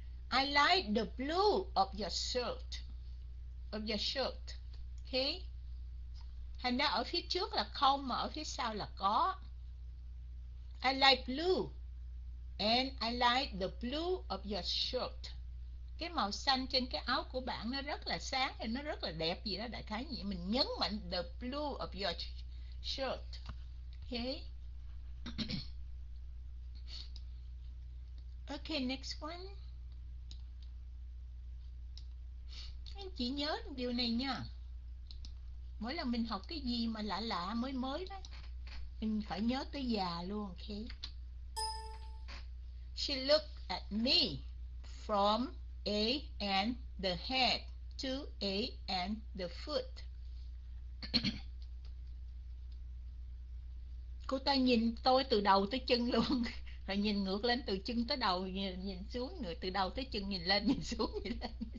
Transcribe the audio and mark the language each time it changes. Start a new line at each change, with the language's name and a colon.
English: I like the blue of your shirt. Of your shirt. Okay.
Vietnamese: Thành ra ở phía trước là không mà ở phía sau là có.
English: I like blue and I like the blue of your shirt.
Vietnamese: Cái màu xanh trên cái áo của bạn nó rất là sáng hay nó rất là đẹp gì đó đại khái vậy. Mình nhấn mạnh
English: the blue of your shirt. Okay. Okay, next one.
Vietnamese: Anh chị nhớ điều này nha. Mỗi lần mình học cái gì mà lạ lạ mới mới đó, mình phải nhớ tới già luôn.
English: Okay. She looked at me from A and the head to A and the foot.
Vietnamese: Cô ta nhìn tôi từ đầu tới chân luôn. Rồi nhìn ngược lên từ chân tới đầu, nhìn, nhìn xuống, người từ đầu tới chân, nhìn lên, nhìn xuống, nhìn lên.